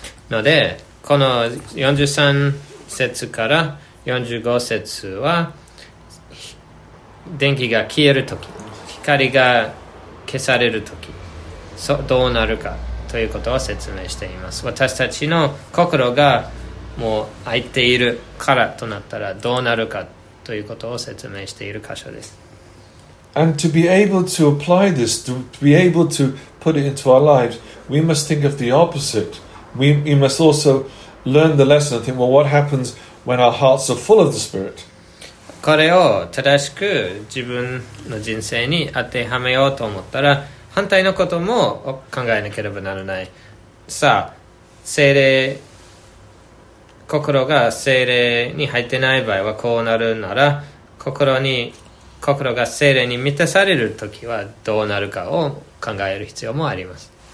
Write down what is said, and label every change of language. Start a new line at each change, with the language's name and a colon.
Japanese: ので、この43節から45節は、電気が消えるとき、光が消されるとき、どうなるかということを説明しています。私たちの心がもう開いているからとなったらどうなるかということを説明している箇所です。
English: And to be able to apply this, to be able to put it into our lives, we must think of the opposite. We must also learn the lesson and think, well, what happens when our hearts are full of the Spirit?
Japanese: これを正しく自分の人生に当てはめようと思ったら、反対のことも考えなければならない。さあ、聖霊、心が聖霊に入ってない場合はこうなるなら、心が聖霊に満たされるときはどうなるかを考える必要もあります。